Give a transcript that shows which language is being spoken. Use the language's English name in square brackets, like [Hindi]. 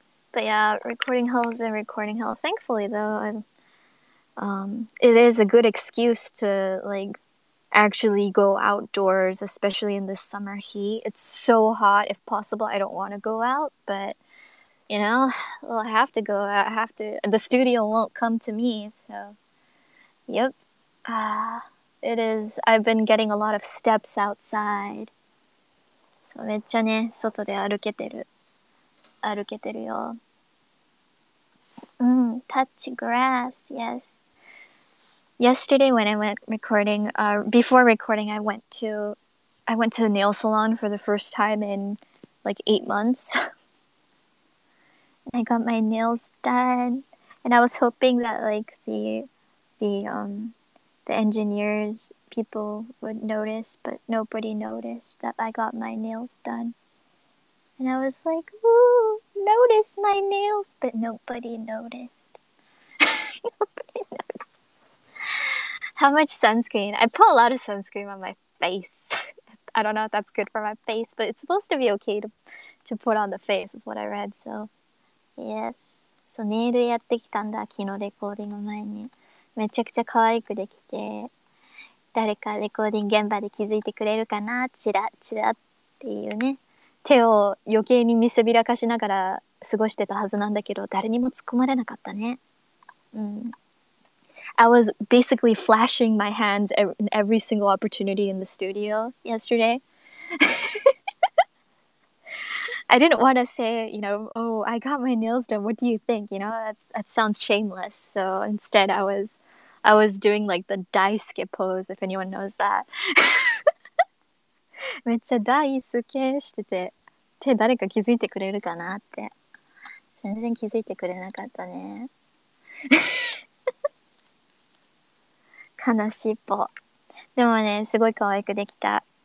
[English] But But yeah, recording hell has been recording hell. Thankfully, though, it is a good excuse to, like, actually go outdoors, especially in the summer heat. It's so hot. If possible, I don't want to go out, but, you know, well, I have to go out. I have to. The studio won't come to me, so, yep. It is. I've been getting a lot of steps outside. [Japanese] So, めっちゃね、外で歩けてる。歩けてるよ。Mm, [English] touch grass, yes. Yesterday when I went recording, before recording, I went to the nail salon for the first time in like 8 months. I got my nails done, and I was hoping that like the engineers people would notice, but nobody noticed that I got my nails done. And I was like, ooh, notice my nails, but nobody noticed. Nobody noticed. How much sunscreen? I put a lot of sunscreen on my face. I don't know if that's good for my face, but it's supposed to be okay to put on the face, is what I read, so. Yes. [Japanese] So, ネイルやってきたんだ、昨日レコーディング前に。めちゃくちゃ可愛くできて。誰かレコーディング現場で気づいてくれるかな?チラッチラッっていうね。手を余計に見せびらかしながら過ごしてたはずなんだけど、誰にも突っ込まれなかったね。 [English] うん。I was basically flashing my hands in every single opportunity in the studio yesterday. I didn't want to say, you know, oh, I got my nails done. What do you think? You know, that sounds shameless. So instead, I was doing like the daisuke pose, if anyone knows that. [Japanese] めっちゃ大好きしてて、手誰か気づいてくれるかなって、全然気づいてくれなかったね。悲しいぽ。でもね、すごい可愛くできた。